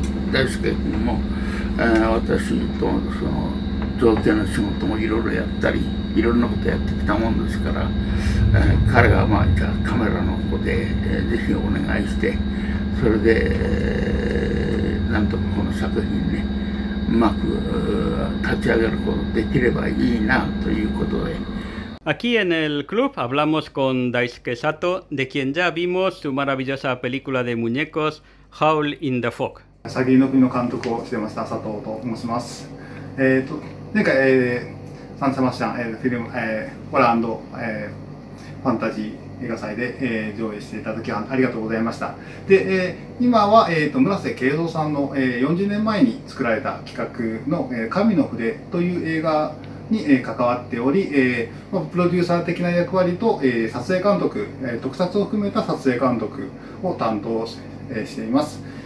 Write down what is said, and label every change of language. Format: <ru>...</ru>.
<ja>大輔君も、私とその造形の仕事もいろいろやったりいろんなことやってきたもんですから、彼がまあじゃあカメラの方で、ぜひお願いして、それで、なんとかこの作品ねうまく立ち上げることができればいいなということで。</ja> <es>Aquí en el club hablamos con Daisuke Sato, de quien ya vimos su maravillosa película de muñecos, Howl in the Fog.</es> <ja>サギノピの監督をしてました佐藤と申します。前回、サンサマシャン、フィルム、ホラー&、ファンタジー映画祭で、上映していただきありがとうございました。で、今は、村瀬慶三さんの、40年前に作られた企画の、神の筆という映画に関わっており、プロデューサー的な役割と撮影監督、特撮を含めた撮影監督を担当しています。</ja>